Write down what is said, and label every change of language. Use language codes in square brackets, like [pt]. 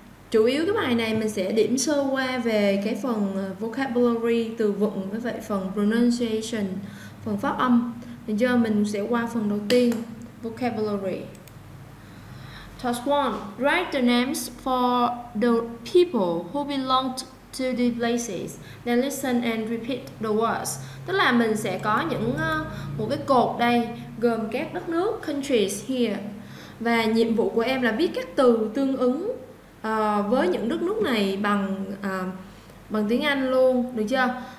[vi] Chủ yếu cái bài này mình sẽ điểm sơ qua về cái phần vocabulary, từ vựng, với vậy phần pronunciation, phần phát âm. Thì giờ mình sẽ qua phần đầu tiên, vocabulary. [en] Task 1. Write the names for the people who belonged to the places. Then listen and repeat the words. [vi] Tức là mình sẽ có những một cái cột đây gồm các đất nước, [en] countries here. [vi] Và nhiệm vụ của em là viết các từ tương ứng với những đất nước này bằng bằng tiếng Anh luôn, được chưa?